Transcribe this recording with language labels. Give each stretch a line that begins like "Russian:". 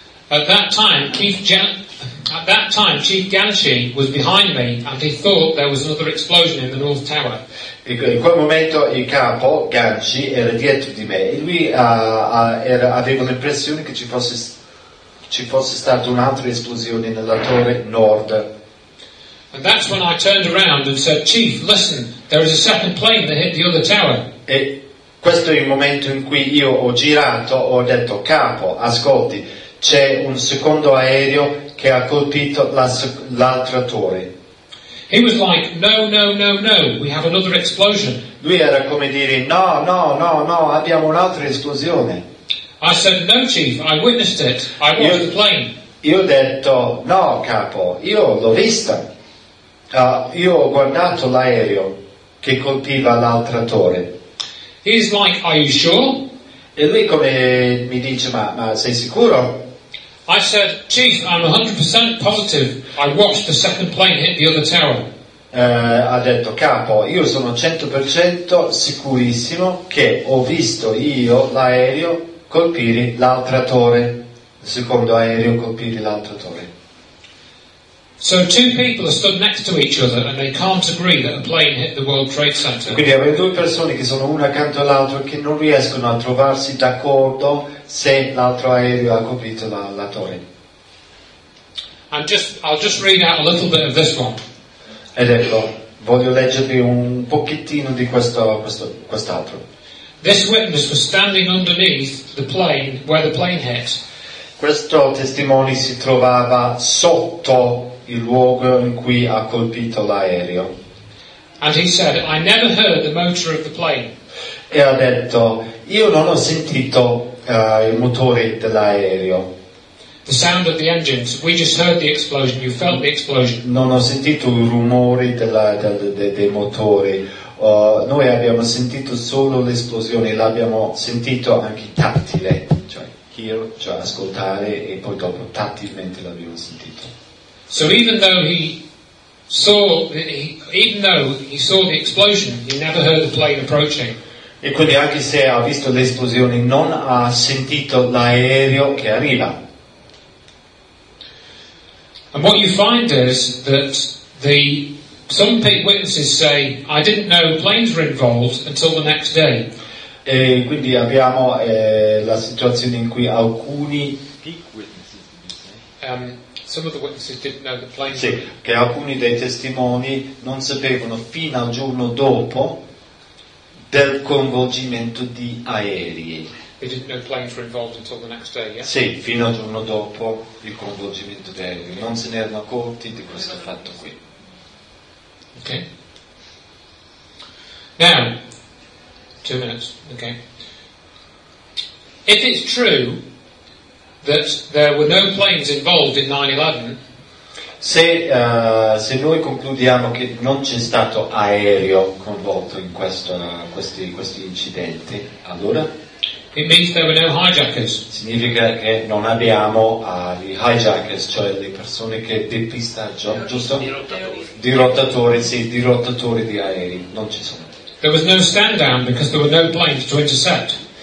English: At that time, Chief Ganshi was behind me, and he thought there was another explosion in the North Tower.
Italian: In quel momento il capo Ganshi era dietro di me, e lui aveva l'impressione che ci fosse stata un'altra esplosione nella torre nord.
English: And that's when I turned around and said, "Chief, listen, there is a second plane that hit the other tower."
Italian: E questo è il momento in cui io ho girato, ho detto, capo, ascolti, c'è un secondo aereo che ha colpito l'altra torre.
English: He was like, no, we have another explosion.
Italian: Lui era come dire, no, abbiamo un'altra esplosione.
English: I said, no chief, I witnessed it, I watched the plane.
Italian: Io ho detto, no capo, io l'ho vista. Io ho guardato l'aereo che colpiva l'altra torre.
English: He's like, are you sure?
Italian: E lui come mi dice, ma sei sicuro?
English: I said, chief, I'm 100% positive. I watched the second plane hit the other tower.
Italian: Ha detto, capo, io sono 100% sicurissimo che ho visto io l'aereo colpire l'altra torre. Il secondo aereo colpire l'altra torre.
English: So two people are stood next to each other and they can't agree that a plane hit the World Trade Center.
Italian: Quindi abbiamo due persone che sono una accanto all'altra che non riescono a trovarsi d'accordo se l'altro aereo ha colpito la torre.
English: I'll just read out a little bit of this one.
Italian: Ed ecco, voglio leggervi un pochettino di quest'altro.
English: This witness was standing underneath the plane where the plane hit.
Italian: Questo testimone si trovava sotto il luogo in cui ha colpito l'aereo.
English: And he said, I never heard the motor of the plane.
Italian: E ha detto, io non ho sentito il motore dell'aereo.
English: The sound of the engines, we just heard the explosion, you felt the explosion.
Italian: Non ho sentito il rumore dei motori. Noi abbiamo sentito solo l'esplosione, l'abbiamo sentito anche tattile, cioè ascoltare e poi dopo tattilmente l'abbiamo sentito.
English: So even though he saw the explosion, he never heard the plane approaching.
Italian: E quindi anche se ha visto l'esplosione, non ha sentito l'aereo che arriva.
English: And what you find is that some witnesses say, I didn't know planes were involved until the next day.
Italian: E quindi abbiamo la situazione in cui alcuni
English: peak witnesses. Some of the witnesses didn't know the plane.
Italian: Sì, che alcuni dei testimoni non sapevano fino al giorno dopo del coinvolgimento di aerei.
English: They didn't know planes were involved until the next day, yeah?
Italian: Sì, fino al giorno dopo il coinvolgimento di aerei. Non se ne erano accorti di questo fatto qui. Ok.
English: Now, 2 minutes, ok. If it's true that there were no planes involved in 9/11.
Italian: Se noi concludiamo che non c'è stato aereo coinvolto in questi incidenti, allora?
English: It means there were no hijackers.
Italian: Significa che non abbiamo gli hijackers, cioè le persone che depistaggio, giusto? Dirottatori, sì, dirottatori di aerei, non ci sono.
English: There was no stand down because there were no planes to intercept.